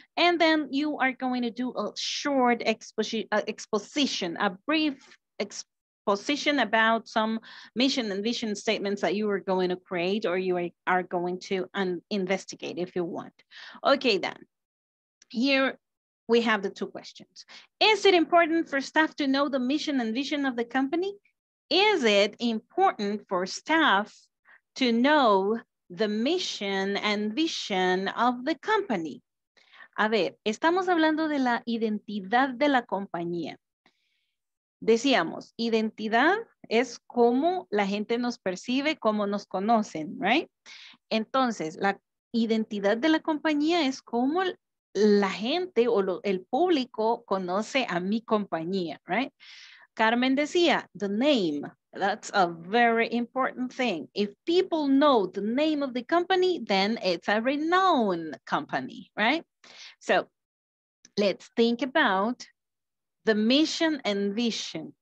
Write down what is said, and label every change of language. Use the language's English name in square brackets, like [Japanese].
[English] And then you are going to do a short exposition, a brief exposition about some mission and vision statements that you are going to create or you are going to investigate if you want. Okay, then. Here we have the two questions. Is it important for staff to know the mission and vision of the company? Is it important for staff to know the mission and vision of the company? [Spanish] A ver, estamos hablando de la identidad de la compañía. Decíamos, identidad es cómo la gente nos percibe, cómo nos conocen, right? Entonces, la identidad de la compañía es cómo la gente o el público conoce a mi compañía, right? [English] Carmen [Spanish] decía, [English] the name, that's a very important thing. If people know the name of the company, then it's a renowned company, right? So let's think about the mission and vision.